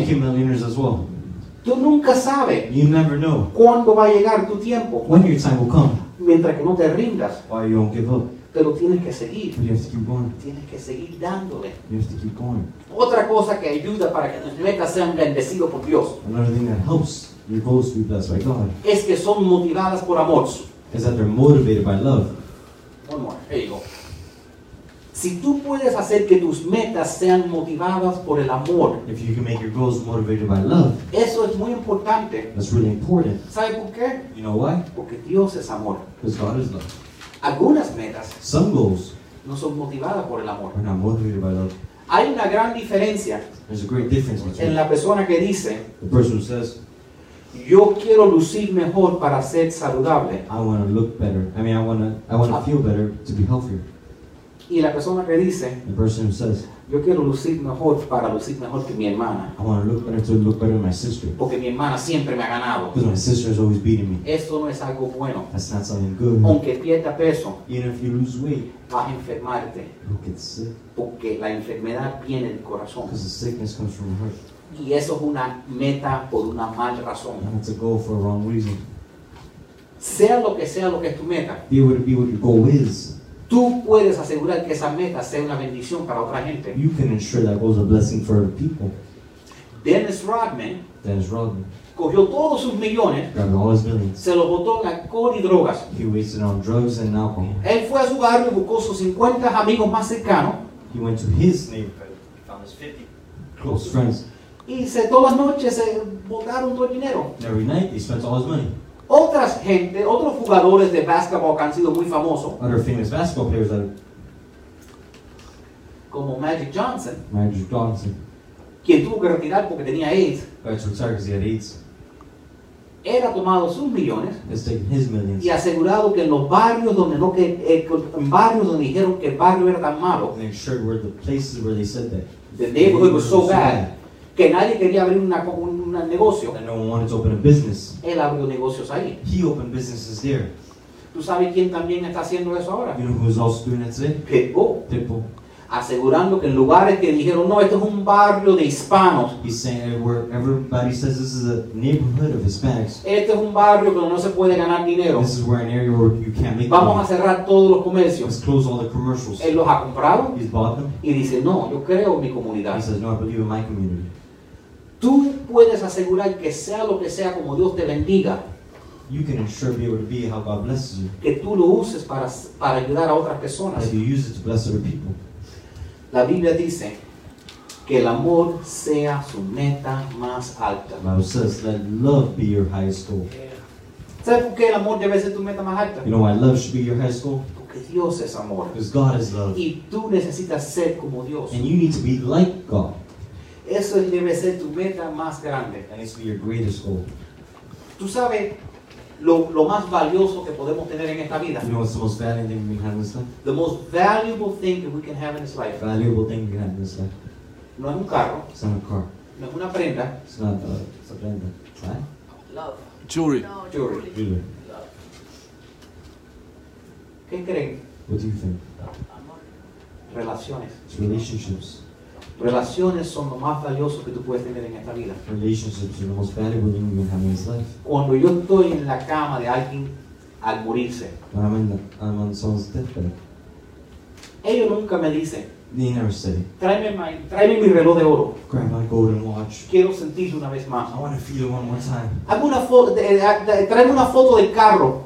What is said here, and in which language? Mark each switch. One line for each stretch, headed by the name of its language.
English: Became millionaires as well.
Spanish: Tú nunca sabes.
English: You never know.
Spanish: ¿Cuándo va a llegar tu tiempo?
English: When your time will come.
Spanish: Mientras que no te rindas.
English: Why you don't give up.
Spanish: Pero tienes que seguir.
English: But you have to keep going.
Spanish: Tienes que seguir dándole.
English: You have to keep going.
Spanish: Otra cosa que ayuda para que tus metas sean bendecidas por Dios.
English: Another thing that helps your goals to be blessed by God.
Spanish: Es que son motivadas por amor.
English: Is that they're motivated by love. One more. There you go.
Spanish: Si tú puedes hacer que tus metas sean motivadas por el amor,
English: if you can make your goals motivated by love,
Spanish: eso es muy importante.
English: That's really important.
Spanish: ¿Sabes por qué?
English: You know why?
Spanish: Porque Dios es amor.
English: Because God is love.
Spanish: Algunas metas,
English: some goals,
Spanish: no son motivadas por el amor.
English: Are not motivated by love.
Spanish: Hay una gran diferencia.
English: There's a great difference between
Spanish: en la persona que dice,
English: the person who says,
Spanish: yo quiero lucir mejor para ser saludable.
English: I want to look better. I mean, I want to feel better to be healthier.
Spanish: Y la persona que dice,
English: the person who says,
Spanish: yo quiero lucir mejor para lucir mejor que mi hermana.
English: I want to look better to look better than my sister.
Spanish: Porque mi hermana siempre me ha ganado.
English: Because my sister has always beaten me.
Spanish: Esto no es algo bueno.
English: That's not something good.
Spanish: Aunque pierda peso.
English: Even if you lose weight.
Spanish: Vas a enfermarte.
English: You'll get sick.
Spanish: Porque la enfermedad viene del corazón.
English: Because the sickness comes from the heart.
Spanish: Y eso es una meta por una mal razón.
English: And it's a goal for a wrong reason.
Spanish: Sea lo que es tu meta.
English: Be what it be, what your goal is.
Spanish: Tú puedes asegurar que esa meta sea una bendición para otra gente.
English: You can ensure that goal is a blessing for other people.
Spanish: Dennis Rodman. Cogió todos sus millones.
English: Grabbed all his millions.
Spanish: Se los botó en alcohol y drogas.
English: He wasted on drugs and alcohol.
Spanish: Él fue a su barrio y buscó sus 50 amigos más cercanos.
English: He went to his neighborhood. Found his 50 close friends.
Spanish: Y se todas las noches se botaron todo el dinero.
English: Every night he spent all his money.
Spanish: Otras gente, otros jugadores de basketball que han sido muy famosos.
English: Other famous basketball players that...
Spanish: Como Magic Johnson.
English: Magic Johnson.
Spanish: Quien tuvo que retirar porque tenía AIDS.
English: Right, so sorry, because he had AIDS.
Spanish: Era tomado sus millones.
English: He's taken his millions.
Spanish: Y asegurado que en los barrios donde no que en barrios donde dijeron que el barrio era tan malo.
English: And ensured where the places where they said that. The neighborhood was so bad.
Spanish: Que nadie quería abrir un negocio.
English: And no one wanted to open a business.
Spanish: Él abrió negocios ahí.
English: He opened businesses there.
Spanish: ¿Tú sabes quién también está haciendo eso ahora?
English: You know who's also doing that today? Pitbull.
Spanish: Asegurando que en lugares que dijeron, no, esto es un barrio de hispanos.
English: He's saying where everybody says this is a neighborhood of Hispanics.
Spanish: Este es un barrio donde no se puede ganar dinero.
English: This is where an area where you can't make
Spanish: vamos Vamos a cerrar todos los comercios.
English: Let's close all the commercials.
Spanish: Él los ha comprado.
English: He's bought them.
Spanish: Y dice, no, yo creo en mi comunidad.
English: He says, no, I believe in my community.
Spanish: Tú puedes asegurar que sea lo que sea como Dios te bendiga.
English: You can ensure be able to be how God blesses you.
Spanish: Que tú lo uses para ayudar a otras personas.
English: That you use it to bless other people.
Spanish: La Biblia dice que el amor sea su meta más alta.
English: The Bible says, let love be your highest goal. Yeah.
Spanish: ¿Sabes por qué el amor debe ser tu meta más alta?
English: You know why love should be your highest goal?
Spanish: Porque Dios es amor.
English: Because God is love.
Spanish: Y tú necesitas ser como Dios.
English: And you need to be like God.
Spanish: Eso debe ser tu meta más grande.
English: And it's be your greatest goal.
Spanish: ¿Tú sabes lo más valioso que podemos tener en esta vida?
English: You know what's the most valuable thing we have in this life? The most valuable thing that we can have in this life. Valuable thing we have in this life.
Spanish: No es un carro.
English: It's not a car.
Spanish: No es una prenda.
English: It's not a prenda. It's a prenda. Love. Jewelry.
Spanish: No,
English: jewelry. Jewelry. Love.
Spanish: ¿Qué creen?
English: What do you think?
Spanish: Amor. Relaciones.
English: It's relationships.
Spanish: Relaciones son lo más valioso que tú puedes tener en esta vida.
English: Relationships are the most valuable thing you can have in this life.
Spanish: Cuando yo estoy en la cama de alguien al morirse.
English: When I'm on someone's deathbed.
Spanish: Ellos nunca me dicen.
English: They never say.
Spanish: Tráeme mi reloj de oro.
English: Grab my golden watch.
Spanish: Quiero sentirlo una vez más.
English: I want to feel it one more time.
Spanish: Hazme una foto. Tráeme una foto del carro.